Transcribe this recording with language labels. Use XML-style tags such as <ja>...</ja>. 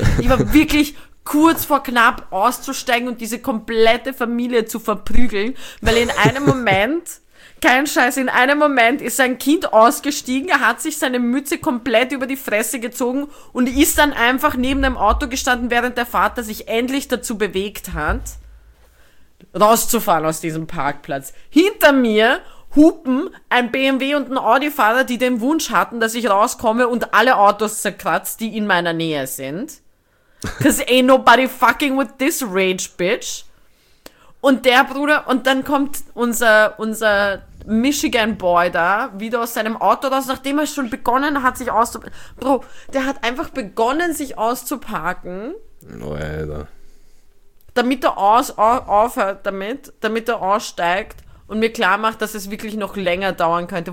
<de>Ich war wirklich kurz vor knapp auszusteigen und diese komplette Familie zu verprügeln, weil in einem Moment, kein Scheiß, in einem Moment ist sein Kind ausgestiegen, er hat sich seine Mütze komplett über die Fresse gezogen und ist dann einfach neben dem Auto gestanden, während der Vater sich endlich dazu bewegt hat, rauszufahren aus diesem Parkplatz. Hinter mir hupen ein BMW und ein Audi-Fahrer, die den Wunsch hatten, dass ich rauskomme und alle Autos zerkratzt, die in meiner Nähe sind.</de> <en>Cause ain't nobody fucking with this rage, bitch.</en> <de>Und der Bruder, und dann kommt unser Michigan Boy da wieder aus seinem Auto raus, nachdem er schon begonnen hat, sich auszuparken. Bro, der hat einfach begonnen, sich auszuparken, Alter. damit er aufhört damit, damit er aussteigt und mir klar macht, dass es wirklich noch länger dauern könnte.</de>